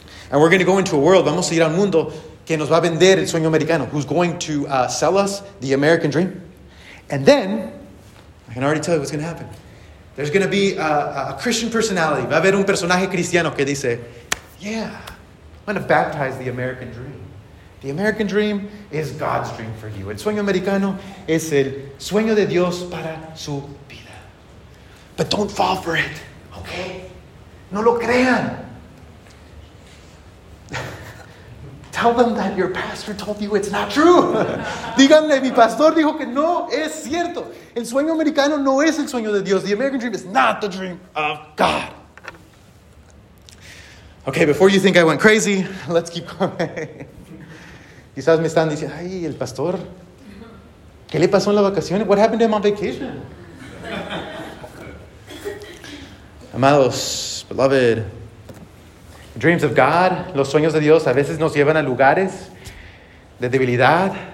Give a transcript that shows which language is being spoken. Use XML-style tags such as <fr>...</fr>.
<en>And we're going to go into a world,</en> <es>vamos a ir al mundo, que nos va a vender el sueño americano,</es> <en>who's going to sell us the American dream. And then, I can already tell you what's going to happen. There's going to be a Christian personality.</en> <es>Va a haber un personaje cristiano que dice,</es> <en>yeah, I'm going to baptize the American dream. The American dream is God's dream for you.</en> <es>El sueño americano es el sueño de Dios para su vida.</es> <en>But don't fall for it, okay?</en> <es>No lo crean.</es> <en>Tell them that your pastor told you it's not true.</en> <es>Díganle, mi pastor dijo que no es cierto. El sueño americano no es el sueño de Dios.</es> <en>The American dream is not the dream of God. Okay, before you think I went crazy, let's keep going.</en> <es>Quizás me están diciendo, ay, el pastor, ¿qué le pasó en la vacación?</es> <en>What happened to him on vacation?</en> <es>Amados,</es> <en>beloved, dreams of God,</en> <es>los sueños de Dios, a veces nos llevan a lugares de debilidad.</es>